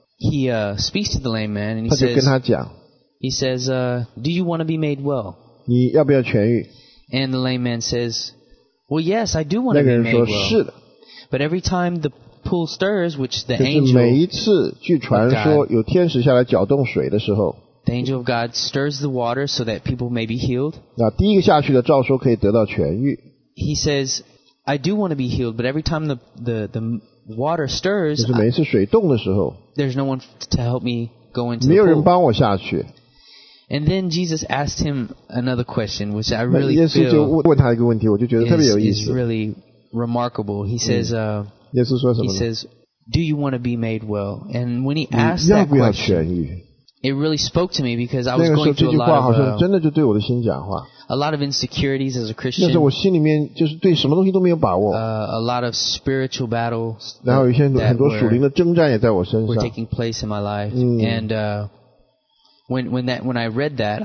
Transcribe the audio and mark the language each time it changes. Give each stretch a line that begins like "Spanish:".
English: He speaks to the lame man and he says, do you want to be made well?
Chinese: 你要不要痊愈?
English: And the lame man says, well, yes, I do want to be made well.
Chinese: 是的。
English: But every time the pool stirs, which the angel,
Chinese: 就是每一次据传说有天使下来搅动水的时候,
English: the angel of God stirs the water so that people may be healed.
Chinese: 那第一个下去的照说可以得到痊愈。
English: He says, I do want to be healed, but every time the water stirs,
Chinese: 就是每一次水动的时候,
English: there's no one to help me go into the pool.
Chinese: 没有人帮我下去。
English: And then Jesus asked him another question, which I really feel
Chinese: 耶稣就问他一个问题，我就觉得特别有意思。
English: Is really remarkable. He says,
Chinese: 耶稣说什么？
English: He says, do you want to be made well? And when he asked that question,
Chinese: 你要不要痊愈？
English: It really spoke to me because I was going through a lot of
Chinese: 那个时候这句话好像真的就对我的心讲话。
English: A lot of insecurities as a Christian.
Chinese: 那时候我心里面就是对什么东西都没有把握。
English: A lot of spiritual battles.
Chinese: 然后有一些很多属灵的征战也在我身上。
English: Were taking place in my life. And when I read that,